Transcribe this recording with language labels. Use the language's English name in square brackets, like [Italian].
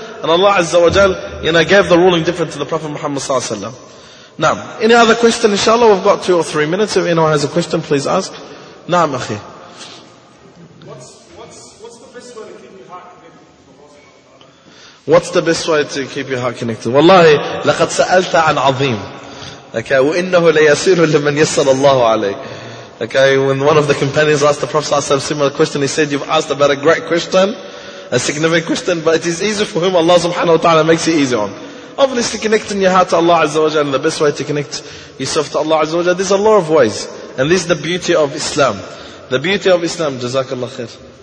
[English] And Allah Azza wa Jal, you know, gave the ruling different to the Prophet Muhammad Sallallahu Alaihi Wasallam. Naam. Any other question, inshallah? We've got 2 or 3 minutes. If anyone has a question, please ask. Naam, akhi. What's the best way to keep your heart connected? [Arabic] Wallahi, لقد سألت عن عظيم. Okay, وإنه ليسير لمن يسأل الله عليه. [English] Okay, when one of the companions asked the Prophet ﷺ a similar question, he said, you've asked about a great question, a significant question, but it is easy for whom Allah subhanahu wa ta'ala makes it easy on. Obviously, connecting your heart to Allah Azza wa Jalla, the best way to connect yourself to Allah Azza wa Jalla, there's a lot of ways. And this is the beauty of Islam. The beauty of Islam, Jazakallah khair.